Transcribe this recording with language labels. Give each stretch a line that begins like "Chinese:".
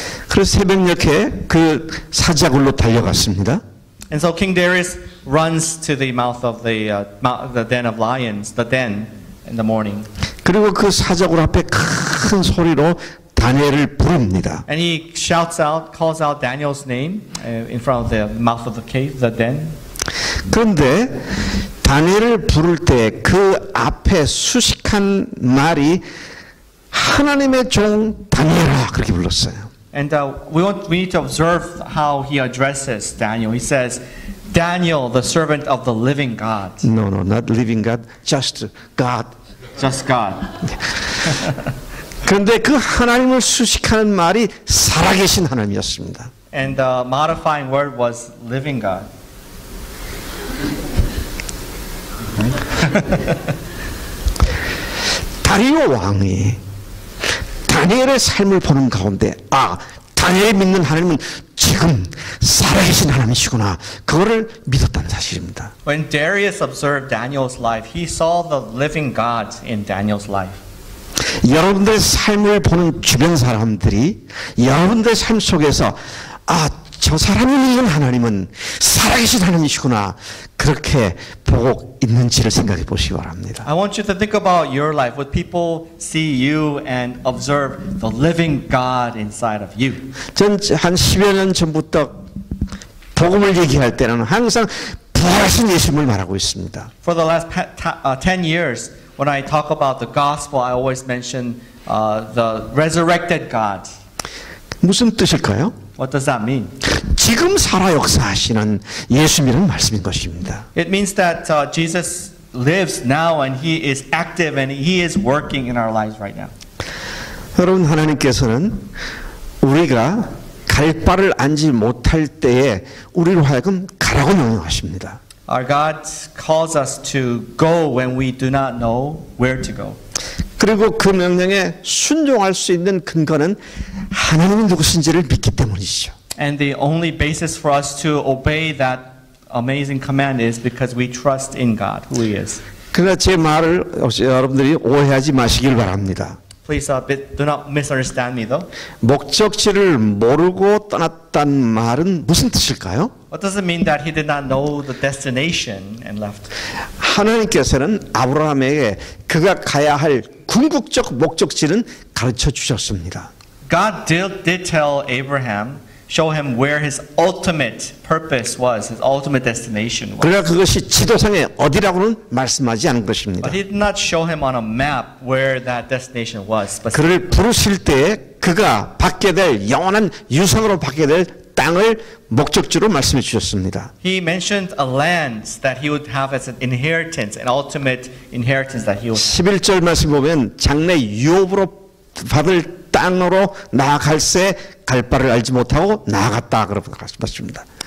Korean: 그래서 새벽녘에 그 사자굴로 달려갔습니다.
English: And so King Darius runs to the mouth of the den of lions, the den in the morning.
Korean: 그리고 그 사자굴 앞에 큰 소리로 다니엘을 부릅니다.
English: And he shouts out, calls out Daniel's name in front of the mouth of the cave, the den.
Korean: 그런데 다니엘을 부를 때 그 앞에 수식한 말이 하나님의 종 다니엘아 그렇게 불렀어요.
English: And we need to observe how he addresses Daniel. He says, "Daniel, the servant of the living God." No, no, not living God, just God. Just God.
Korean: 그런데 그 하나님을 수식하는 말이 살아계신 하나님이었습니다.
English: And the modifying word was living God.
Korean: 다리오 왕이 다니엘의 삶을 보는 가운데 아, 다니엘 믿는 하나님은 지금 살아계신 하나님이시구나 그거를 믿었다는 사실입니다.
English: When Darius observed Daniel's life, he saw the living God in Daniel's life.
Korean: 여러분들의 삶을 보는 주변 사람들이 여러분들의 삶 속에서 아, 저 사람이 믿는 하나님은 살아계신 하나님이시구나 그렇게 보고 있는지를 생각해 보시기 바랍니다.
English: I want you to think about your life. Would people see you and observe the living God inside of you?
Korean: 전 한 10여 년 전부터 복음을 얘기할 때는 항상 부활하신 예수님을 말하고 있습니다.
English: For the last 10 years, when I talk about the gospel, I always mention the resurrected God.
Korean: 무슨 뜻일까요?
English: What does that mean?
Korean: 지금 살아 역사하시는 예수님이라는 말씀인 것입니다.
English: It means that Jesus lives now and He is active and He is working in our lives right now.
Korean: 여러분 하나님께서는 우리가 갈 바를 안지 못할 때에 우리로 하여금 가라고 명령하십니다.
English: Our God calls us to go when we do not know where to go.
Korean: 그리고 그 명령에 순종할 수 있는 근거는 하나님이 누구신지를 믿기 때문이죠.
English: And the only basis for us to obey that amazing command is because we trust in God, who He is.
Korean: 그러나 제 말을 여러분들이 오해하지 마시길 바랍니다.
English: Please do not misunderstand me, though.
Korean: 목적지를 모르고 떠났단 말은 무슨 뜻일까요?
English: What does it mean that he did not know the destination and left?
Korean: 하나님께서는 아브라함에게 그가 가야 할 궁극적 목적지는 가르쳐 주셨습니다.
English: God did tell Abraham, show him where his ultimate purpose was, his ultimate destination was.
Korean: 그러나 그것이 지도상에 어디라고는 말씀하지 않은 것입니다.
English: But he did not show him on a map where that destination was.
Korean: 그를 부르실 때 그가 받게 될 영원한 유산으로 받게 될 땅을 목적지로 말씀해 주셨습니다.
English: He mentioned a land that he would have as an inheritance, an ultimate inheritance that he would have.
Korean: 11절 말씀 보면 장래 유업으로 받을 땅으로 나아갈 새 갈 바를 알지 못하고 나아갔다 그러고 말씀하십니다.